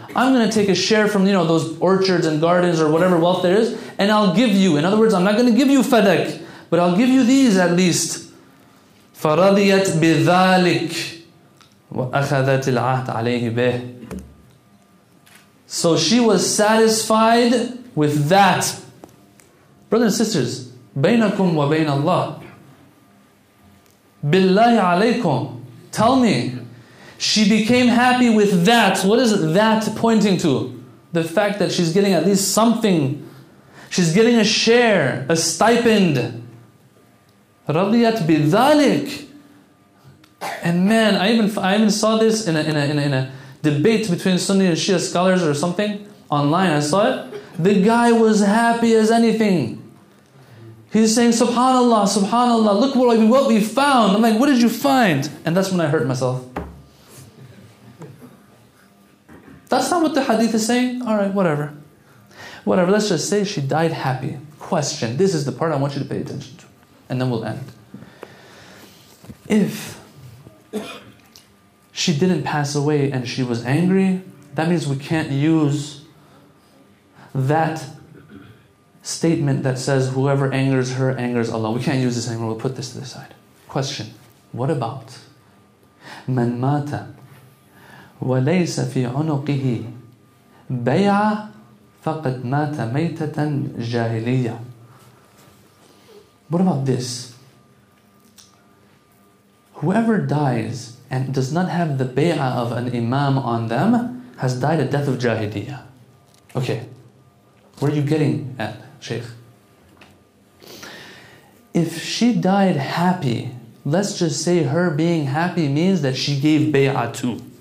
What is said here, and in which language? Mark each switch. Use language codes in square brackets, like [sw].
[en] I'm going to take a share from, you know, those orchards and gardens or whatever wealth there is, and I'll give you. In other words, I'm not going to give you fadak, but I'll give you these at least. [ar] فَرَضِيَتْ بِذَلِكَ وَأَخَذَتِ الْعَهْدَ عَلَيْهِ بِهِ. [en] So she was satisfied with that. Brothers and sisters, [ar] بَيْنَكُمْ وَبَيْنَ اللَّهِ بِاللَّهِ عَلَيْكُمْ. [en] Tell me, she became happy with that. What is that pointing to? The fact that she's getting at least something. She's getting a share, a stipend. [ar] رَضِيَتْ بِذَلِكَ. [en] And man, I even saw this in a debate between Sunni and Shia scholars or something online. I saw it. The guy was happy as anything. He's saying, SubhanAllah, SubhanAllah, look what we found. I'm like, what did you find? And that's when I hurt myself. That's not what the hadith is saying. All right, whatever. Whatever, let's just say she died happy. Question. This is the part I want you to pay attention to. And then we'll end. If she didn't pass away and she was angry, that means we can't use that statement that says whoever angers her angers Allah. We can't use this anymore. We'll put this to the side. Question. What about [ar] من مات وليس في عنقه بيع فقد مات ميتة جاهلية. [en] What about this? Whoever dies and does not have the bay'ah of an imam on them has died a death of jahiliyyah. Okay. Where are you getting at, Shaykh? if she died happy, let's just say her being happy means that she gave bay'ah too.